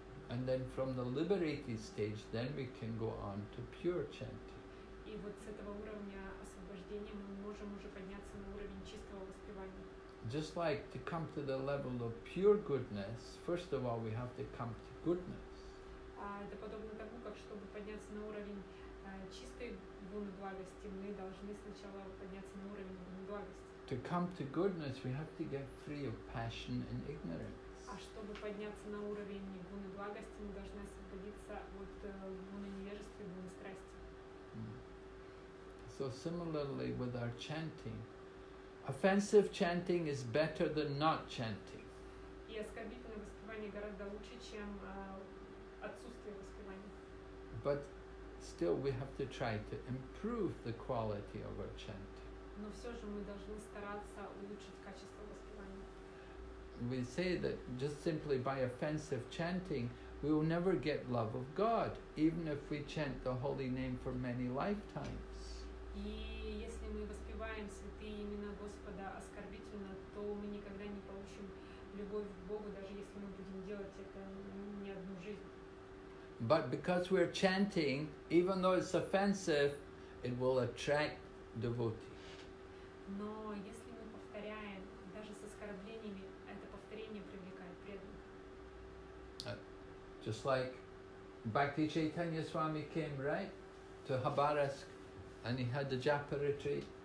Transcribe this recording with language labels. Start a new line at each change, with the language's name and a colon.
English: And then from the liberated stage, then we can go on to pure chanting.
Russian: И вот с этого уровня освобождения мы можем уже подняться на уровень чистого воспевания.
English: Just like to come to the level of pure goodness, first of all, we have to come to goodness.
Russian: Это подобно тому, как чтобы подняться на уровень чистой гуны благости, мы должны сначала подняться на уровень гуны благости.
English: To come to goodness, we have to get free of passion and ignorance.
Russian: А чтобы подняться на уровень гуны благости, мы должны освободиться от гуны невежества и гуны страсти.
English: So similarly with our chanting. Offensive chanting is better than not chanting.
Russian: И оскорбительное воспевание гораздо лучше, чем отсутствие воспевания.
English: But still we have to try to improve the quality of our chanting.
Russian: Но все же мы должны стараться улучшить качество воспевания.
English: We say that just simply by offensive chanting, we will never get love of God, even if we chant the holy name for many lifetimes.
Russian: И если мы воспеваем святые имена Господа оскорбительно, то мы никогда не получим любовь к Богу, даже если мы будем делать это не одну жизнь.
English: But because we're chanting, even though it's offensive, it will attract devotees.
Russian: Но если мы повторяем, даже с оскорблениями, это повторение привлекает преданных.
English: Just like Bhakti Chaitanya Swami came, right, to Khabarovsk, and he had the japa retreat.